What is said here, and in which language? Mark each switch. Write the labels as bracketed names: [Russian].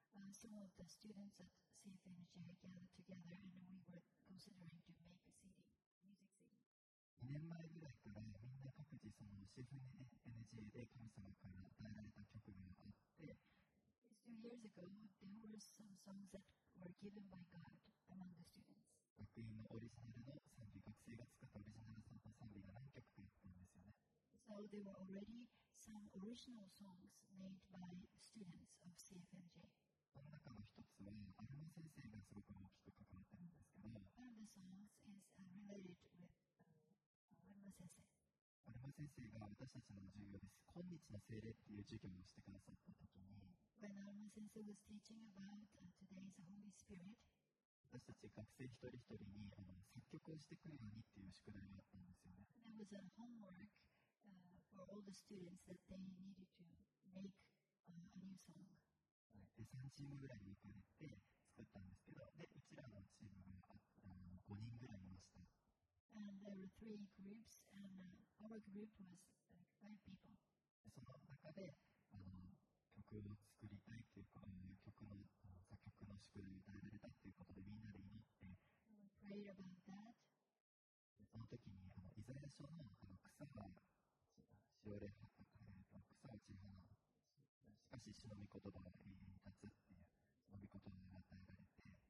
[English] some of the students at CFMJ gathered together and we were considering to make a CD, music CD. [Japanese] 2年前ぐらいからみんな各自そのCFMJで神様から与えられた曲があって。 [English] 2 years ago, there were some songs that were given by God among the students. [Japanese] 学院のオリジナルの賛美、学生が使ったオリジナルの賛美が何曲かあったんですよね。 [English] So there were already some original songs made by students of CFMJ. [Japanese] その中の一つは、アルマ先生がすごく大きく関わってるんですけど。 [English] One of the songs is related with アルマ先生。 [Japanese] アルマ先生が私たちの授業です。今日の聖霊っていう授業をしてくださったときに、 [English] When Alma Sensei was teaching about today's Holy Spirit, [Japanese] 私たち学生一人一人に作曲をしてくるようにっていう宿題があったんですよね。 [English] There was a homework for all the students that they needed to make a new song. [Japanese] で、3チームぐらいに分かれて作ったんですけど、で、うちらのチームが5人ぐらいいました。 [English] And there were three groups, and our group was like five people. [Japanese] その中で、曲を作りたいっていうか、曲の作曲の宿題を与えられたっていうことでみんなで祈って、 [English] We prayed about that. [Japanese] その時にイザヤ書の草がしおれ、草は散る花、しかし主の御言葉は永遠に立つっていうその御言葉が与えられて、